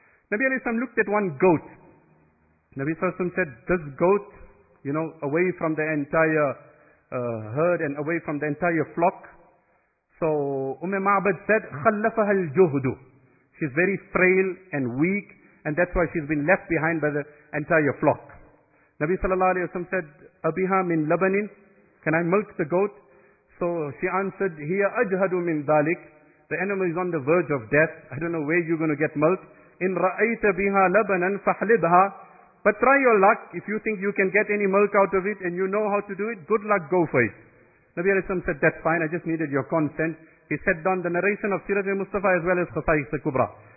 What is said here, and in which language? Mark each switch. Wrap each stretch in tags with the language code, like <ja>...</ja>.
<en>Nabi alayhi salam looked at one goat. Nabi sallallahu alayhi wa sallam said, this goat, you know, away from the entire herd and away from the entire flock. So Ma'bad said,</en> <ar>خَلَّفَهَا الْجُهْدُ.</ar> <en>She's very frail and weak, and that's why she's been left behind by the entire flock. Nabi sallallahu alayhi wa sallam said,</en> <ar>أَبِهَا مِنْ لَبَنِنْ.</ar> <en>Can I milk the goat? So she answered,</en> <ar>هِيَ أَجْهَدُ مِنْ ذَلِكْ.</ar> <en>The animal is on the verge of death. I don't know where you're going to get milk.</en> <ar>إِنْ رَأَيْتَ بِهَا لَبَنًا فَحْلِبْهَا.</ar> <en>But try your luck. If you think you can get any milk out of it and you know how to do it, good luck, go for it. Nabi alayhi sallam said, that's fine, I just needed your consent. He sat down the narration of Siraj al-Mustafa as well as Khasais al-Kubra.</en>